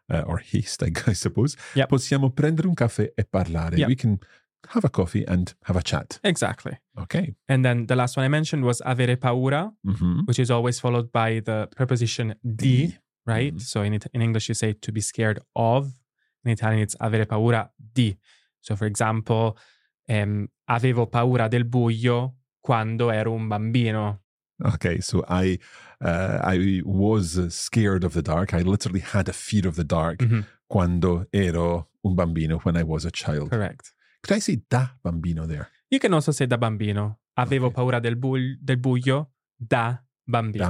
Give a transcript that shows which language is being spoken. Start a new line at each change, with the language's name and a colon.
English: Or haste, I suppose. Yep.
Italian: Possiamo prendere un caffè e parlare.
English: Yep. We can have a coffee and have a chat. Exactly. Okay. And then the last one I mentioned was avere paura, which is always followed by the preposition di, right? Mm-hmm. So in English you say to be scared of. In Italian it's avere paura di. So for example,
Italian: avevo paura del buio quando ero un bambino.
English: Okay, so I was scared of the dark. I literally had a fear of the dark
Italian: quando ero un bambino,
English: when I was a child. Correct. Could I say da bambino there? You can also say
Italian: da bambino. Avevo paura del buio da bambino.